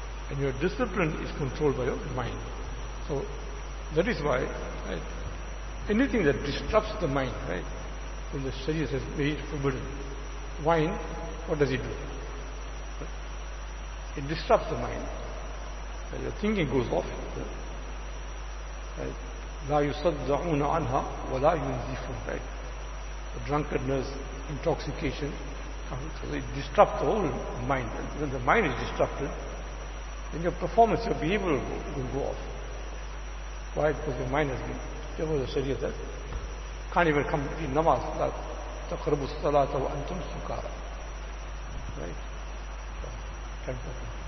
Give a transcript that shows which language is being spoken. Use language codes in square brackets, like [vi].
[en] And your discipline is controlled by your mind. So that is why, right, anything that disrupts the mind, right, when the Sharia says made forbidden, wine, what does it do? It disrupts the mind. Your thinking goes off. Right? [ar] لا يصدعون عنها ولا ينزفون. [en] Right? The drunkenness, intoxication, so they disrupt the whole mind. When the mind is disrupted, then your performance, your behavior will go off. Why? Because your mind has been. There was a sharia that can't even come in namaz. [ar] تقرب الصلاة وأنتم سكارى. [en] Right? Can't happen.